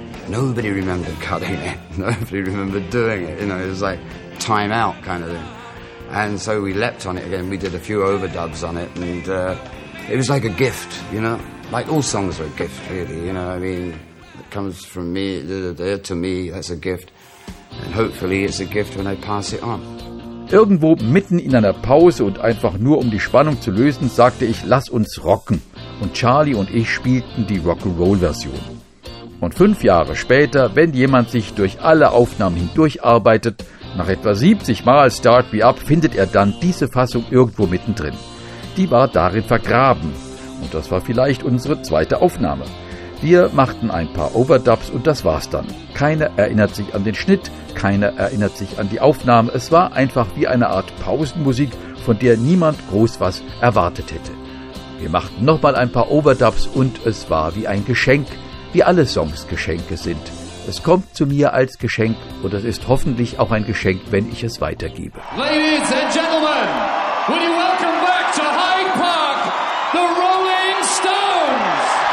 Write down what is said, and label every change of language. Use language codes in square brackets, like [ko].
[en] Nobody remembered cutting it. Nobody remembered doing it. You know, it was like time out kind of thing. And so we leapt on it again. We did a few overdubs on it, and it was like a gift, you know? Like, all songs are a gift, really, you know? I mean, comes from me, they're to me, that's a gift. And hopefully it's a gift when I pass it on. [de] Irgendwo mitten in einer Pause und einfach nur um die Spannung zu lösen, sagte ich, lass uns rocken. Und Charlie und ich spielten die Rock'n'Roll-Version. Und 5 Jahre später, wenn jemand sich durch alle Aufnahmen hindurcharbeitet, nach etwa 70 Mal Start Me Up, findet er dann diese Fassung irgendwo mittendrin. Die war darin vergraben. Und das war vielleicht unsere 2. Aufnahme. Wir machten ein paar Overdubs und das war's dann. Keiner erinnert sich an den Schnitt, keiner erinnert sich an die Aufnahme. Es war einfach wie eine Art Pausenmusik, von der niemand groß was erwartet hätte. Wir machten nochmal ein paar Overdubs und es war wie ein Geschenk, wie alle Songs Geschenke sind. Es kommt zu mir als Geschenk und es ist hoffentlich auch ein Geschenk, wenn ich es weitergebe. [en] Ladies and gentlemen, would you welcome back to Hyde Park, the Rolling Stones!